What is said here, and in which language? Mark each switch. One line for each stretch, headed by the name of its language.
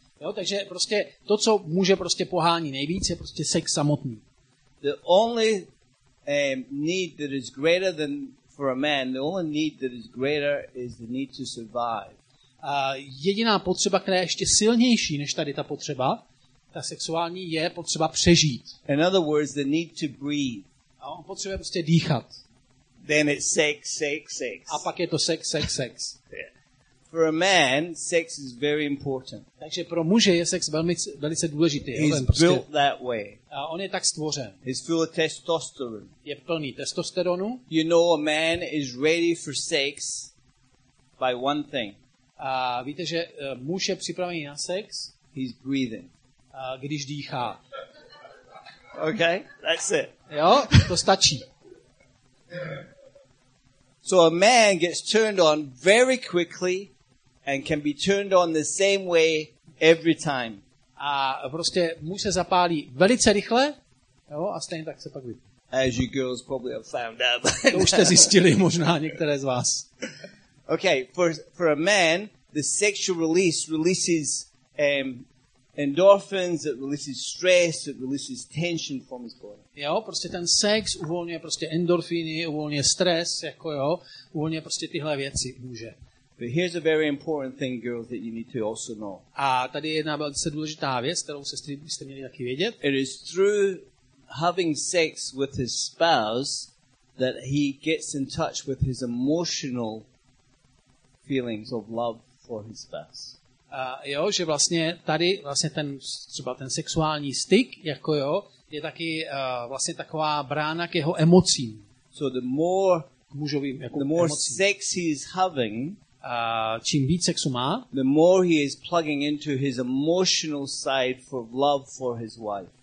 Czech: Jo, takže prostě to, co muže prostě pohání nejvíc, je prostě sex samotný.
English: The only need that is greater than for a man, the only need that is greater is the need to survive.
Czech: Jediná potřeba, která je ještě silnější než tady ta potřeba, ta sexuální, je potřeba přežít.
English: In other words, the need to breathe.
Czech: A on potřebuje prostě dýchat.
English: Then it's sex, sex, sex.
Czech: A pak je to sex, sex, sex.
English: For a man, sex is very important.
Czech: Takže pro muže je sex velmi, velice důležitý.
English: He's built that way.
Czech: A on je tak stvořen.
English: He's full of testosterone.
Czech: Je plný testosteronu.
English: You know, a man is ready for sex by one thing.
Czech: A víte, že muž je připravený na sex?
English: He's breathing.
Czech: A když dýchá.
English: Okay, that's it.
Czech: Jo, to stačí.
English: So a man gets turned on very quickly and can be turned on the same way every time.
Czech: A prostě muž se zapálí velice rychle, jo, a stejně tak se pak vypálí.
English: As you girls probably have found out.
Czech: To už jste zjistili možná některé z vás.
English: Okay, for a man, the sexual release releases endorphins, it releases stress, it releases tension from his body.
Czech: Jo, prostě ten sex uvolňuje prostě endorfiny, uvolňuje stres, jako jo, uvolňuje prostě tyhle věci může.
English: But here's a very important thing, girls, that you need to also know.
Czech: A tady je jedna velice důležitá věc, kterou sestry byste měli taky vědět.
English: It is through having sex with his spouse that he gets in touch with his emotional feelings of love for his spouse.
Czech: Jo, že vlastně tady vlastně ten třeba ten sexuální styk, jako jo, je taky vlastně taková brána k jeho emocím.
English: So the more
Czech: k mužovým jako
English: the more
Czech: emocím.
English: Sex he is having,
Czech: čím víc sexu má,
English: the more he is plugging into his emotional side for love for his wife.